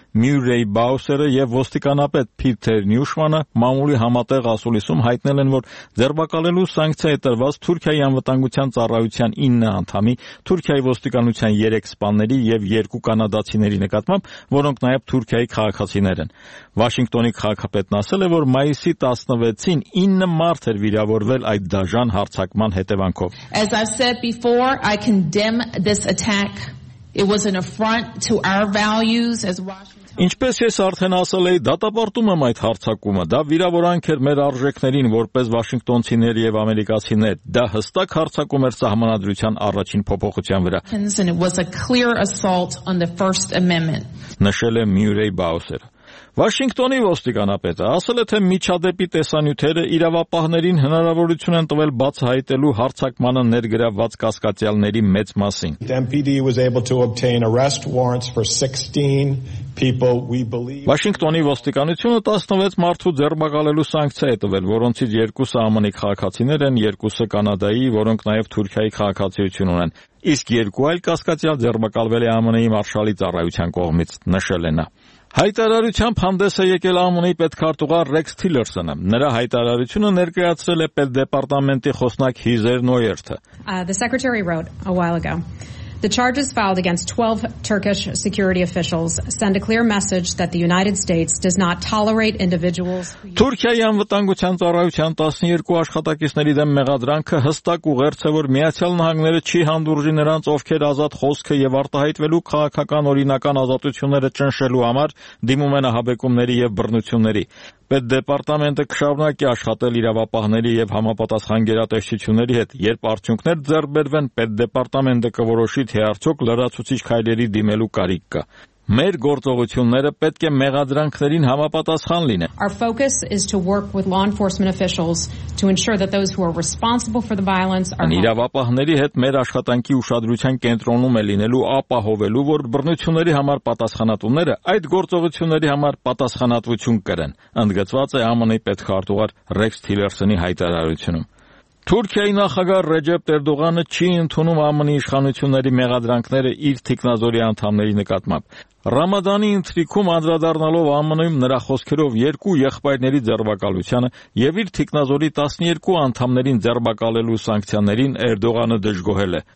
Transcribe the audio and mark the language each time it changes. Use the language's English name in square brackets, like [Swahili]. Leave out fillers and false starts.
[Armenian] Մյուրեյ Բաուսերը եւ ոստիկանապետ Փիթեր Նյուշմանը մամուլի համատեղ ասուլիսում հայտնել են, որ ձերբակալելու սանկցիա է տրված Թուրքիայի անվտանգության ծառայության 9 անդամի, Թուրքիայի ոստիկանության 3 սպաների եւ 2 կանադացիների նկատմամբ, որոնք նաեւ Թուրքիայի քաղաքացիներ են։ Վաշինգտոնի քաղաքապետն ասել է, որ մայիսի 16-ին 9 մարդ էր վիրավորվել այդ դաժան հարձակման հետևանքով։ [English] It was an affront to our values as Washington. [Armenian] Ինչպես ես արդեն ասել էի, դատապարտում եմ այդ հարցակումը, դա վիրավորանք էր մեր արժեքներին որպես Վաշինգտոնցիներ եւ ամերիկացիներ, դա հստակ հարցակում էր սահմանադրության առաջին փոփոխության վրա, [English] and it was a clear assault on the First Amendment. [Armenian] Նշել է Մյուրեյ Բաուսեր։ Վաշինգտոնի ոստիկանապետը ասել է, թե միջադեպի տեսանյութերը իրավապահներին հնարավորություն են տվել բացահայտելու հարձակմանը ներգրավված կասկածյալների մեծ մասին։ Վաշինգտոնի ոստիկանությունը 16 մարդու ձերբակալելու սանկցիա է տվել, որոնցից 2-ը ԱՄՆ-ի քաղաքացիներ են, 2-ը կանադայի, որոնք նաև Թուրքիայի քաղաքացիություն ունեն, իսկ 2 այլ կասկածյալ ձերբակալվել է ԱՄՆ-ի մարշալի ծառայության կողմից, նշել է նա։ Հայտարարությամբ հանդես է եկել ԱՄՆ-ի պետքարտուղար Ռեքս Թիլերսոնը։ Նրա հայտարարությունը ներկայացրել է պետ դեպարտամենտի խոսնակ Հիզեր Նոյերթը։ [English] The secretary wrote a while ago. The charges filed against 12 Turkish security officials send a clear message that the United States does not tolerate individuals. [Armenian] Թուրքիայի անվտանգության ծառայության 12 աշխատակիցների դեմ մեղադրանքը հստակ ուղերձ է, որ Միացյալ Նահանգները չի հանդուրժի նրանց, ովքեր ազատ խոսքը եւ արտահայտվելու քաղաքական օրինական ազատությունները ճնշելու համար դիմում են ահաբեկումների եւ բռնությունների։ Պետ դեպարտամենտը կշարունակի աշխատել իրավապահների եւ համապատասխան գերատեսչությունների հետ, երբ արդյունքներ ձեռք բերվեն, պետ դեպարտամենտը կորոշի, թե արդյոք լրացուցիչ քայլերի դիմելու կարիք կա։ Մեր գործողությունները պետք է մեղադրանքներին համապատասխան լինեն։ [English] Our focus is to work with law enforcement officials to ensure that those who are responsible for the violence are. [Armenian] Իրավապահների հետ մեր աշխատանքի ուշադրության կենտրոնում է լինելու ապահովելու, որ բռնությունների համար պատասխանատուները այդ գործողությունների համար պատասխանատվություն կրեն, ընդգծված է ԱՄՆ-ի պետխարտուղար Rex Tillerson-ի հայտարարությունում։ Թուրքիայի նախագահ Ռեջեփ Էրդողանը չի ընդունում ԱՄՆ-ի իշխանությունների մեղադրանքները իր թիկնազորի անդամների նկատմամբ։ Ռամադանի ընթրիքում անդրադառնալով ԱՄՆ-ում նրա խոսքերով երկու եղբայրների ձերբակալությանը եւ իր թիկնազորի 12 անդամներին ձերբակալելու սանկցիաներին Էրդողանը դժգոհել է։